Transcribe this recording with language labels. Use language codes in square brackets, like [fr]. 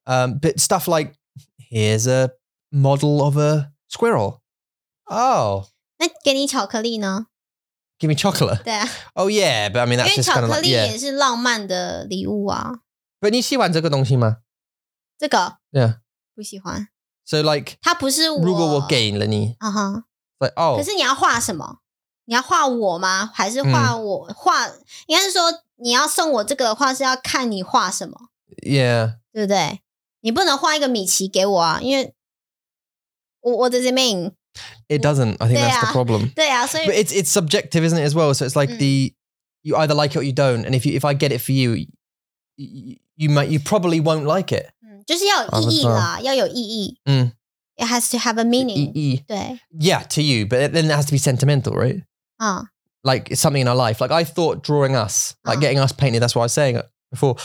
[en] But stuff like, here's a model of a squirrel. Oh. [zh] 那给你巧克力呢? [en] Give me chocolate? [zh] 对啊。 [en] Oh yeah, but I mean that's just kind of like... [zh] 因为巧克力也是浪漫的礼物啊。 But 你喜欢这个东西吗? 这个? [en] Yeah. [zh] 不喜欢。 [en] So like, [zh] 他不是我如果我给了你、 [en] uh-huh. like, oh. [zh] 可是你要画什么你要画我吗还是画我、嗯、画应该是说你要送我这个的话是要看你画什么 [en] Yeah [zh] 对不对你不能画一个米奇给我啊因为 [en] What does it mean? It doesn't, I think、 [zh] 啊、 [en] that's the problem [zh] 对啊所以 [en] But it's subjective isn't it as well So it's like、嗯、the You either like it or you don't And if I get it for you You probably won't like it [zh] 就是要有意义啦要有意义。嗯。 [en] It has to have a meaning. [zh] 意义。对。 [en] Yeah, to you, but then it has to be sentimental, right? Like something in our life. Like I thought drawing us, like getting us painted, that's what I was saying before.